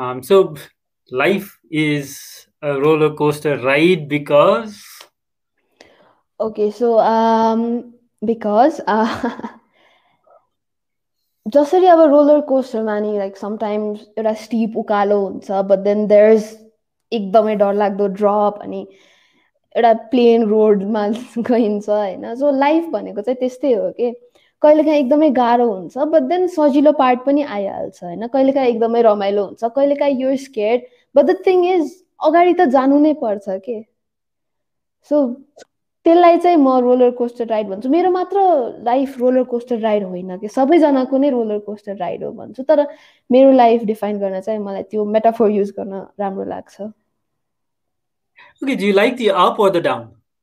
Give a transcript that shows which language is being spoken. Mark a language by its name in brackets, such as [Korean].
[English] so life is a roller coaster ride because [Nepali] okay so because जसरी अब roller कोस्टरमा नि like sometimes एउटा स्टिप उकालो हुन्छ, [English] but then there is [Nepali] एकदमै डरलाग्दो ड्रप अनि एउटा प्लेन रोडमा गइन्छ होइन. सो लाइफ भनेको चाहिँ त्यस्तै हो कि कहिलेकाहीँ एकदमै गाह्रो हुन्छ, बट देन सजिलो पार्ट पनि आइहाल्छ होइन. कहिलेकाहीँ एकदमै रमाइलो हुन्छ, कहिलेकाहीँ [English] you're scared, but the thing is [Nepali] अगाडि त जानु नै पर्छ के. सो त्यसलाई चाहिँ म रोलर कोस्टर राइड भन्छु. मेरो मात्र लाइफ रोलर कोस्टर राइड होइन कि, सबैजनाको नै रोलर कोस्टर राइड हो भन्छु, तर मेरो लाइफ डिफाइन गर्न चाहिँ मलाई त्यो मेटाफोर युज गर्न राम्रो लाग्छ. [English] Okay, do you like the up or the down?